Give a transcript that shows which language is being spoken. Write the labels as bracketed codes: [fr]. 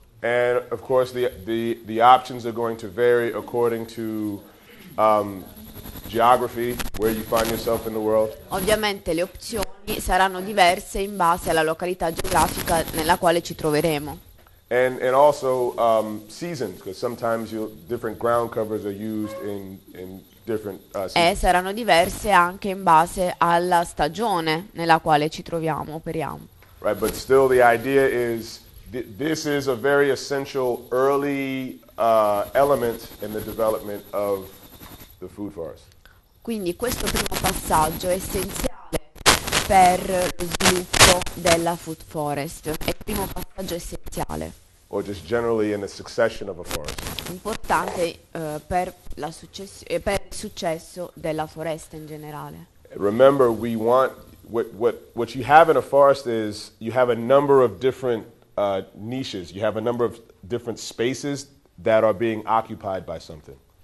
[en] And of course the options are going to vary according to geography, where you find yourself in the world. [it] Ovviamente le opzioni saranno diverse in base alla località geografica nella quale ci troveremo. [en] And also seasons, because sometimes different ground covers are used in different seasons. [it] E saranno diverse anche in base alla stagione nella quale ci troviamo, operiamo. [en] Right, but still the idea is this is a very essential early element in the development of the food forest. [it] Quindi questo primo passaggio è essenziale per lo sviluppo della food forest. È il primo passaggio essenziale. [en] Or just generally in the succession of a forest. [it] Importante per il successo della foresta in generale. [en] Remember, we want what you have in a forest is you have a number of different niches. You have a number of different spaces that are being occupied by something.